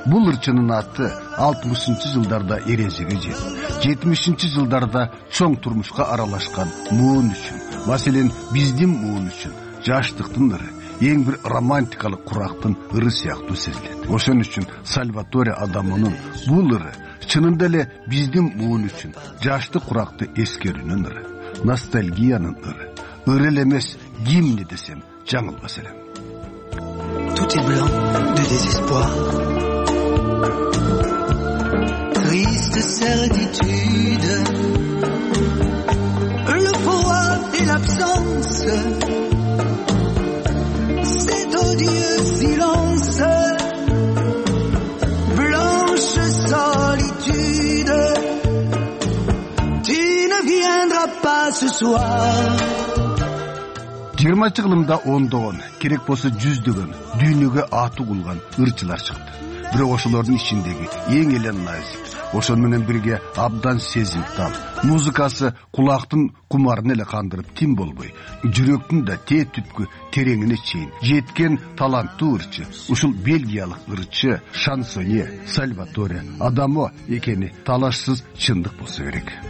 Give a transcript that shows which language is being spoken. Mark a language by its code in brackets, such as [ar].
[ky] Ырчынын аты 60-жы жылдарда эрезеге жетип, 70-жы жылдарда чоң турмушка аралашкан муун үчүн, маселен, биздин муун үчүн жаштыктын ыры, эң бир романтикалык курактын ыры сыяктуу сезилет. Ошон үчүн Сальваторе Адамонун бул ыры чынында эле биздин муун үчүн жаштык куракты эскерүүнүн ыры, ностальгиянын ыры. Ыры эле эмес, гимни десем жаңылбас элем. [fr] Tout est blanc de désespoir. Triste certitude, le froid et l'absence, cet odieux silence, blanche solitude, tu ne viendras pas ce soir. [ky] 20-чы кылымда ондогон, керек болсо жүздөгөн дүйнөгө аты кулган ырчылар чыкты. Бирок ошолордун ичиндеги эң эле назик, ошон менен бирге абдан сезимтал музыкасы кулактын кумарын эле кандырып тим болбой, жүрөктүн да тетүпкү тереңине чейин жеткен таланттуу ырчы ушул бельгиялык ырчы шансонье Сальваторе Адамо экени талашсыз чындык болсо керек.